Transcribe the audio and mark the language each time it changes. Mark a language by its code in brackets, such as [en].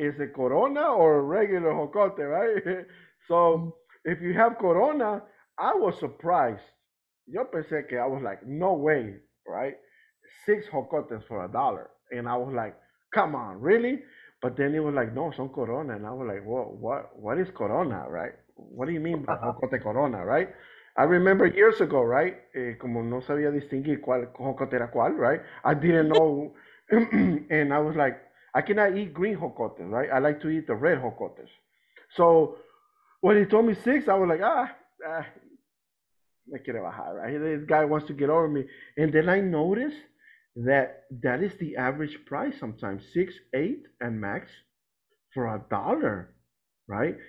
[en] Is it Corona or a regular jocote, right? So if you have Corona, I was surprised. [es] Yo pensé que [en] I was like, no way, right? 6 jocotes for $1. And I was like, come on, really? But then it was like, no, [es] son Corona. [en] And I was like, whoa, what is Corona, right? What do you mean by jocote Corona, right? I remember years ago, right? [es] Como no sabía distinguir cuál jocote era cuál, right? [en] I didn't know. And I was like, I cannot eat green jocotes, right? I like to eat the red jocotes. So when he told me 6, I was like, [es] me quiere bajar, [en] right? This guy wants to get over me. And then I noticed that is the average price sometimes, 6, 8 and max for a dollar, right?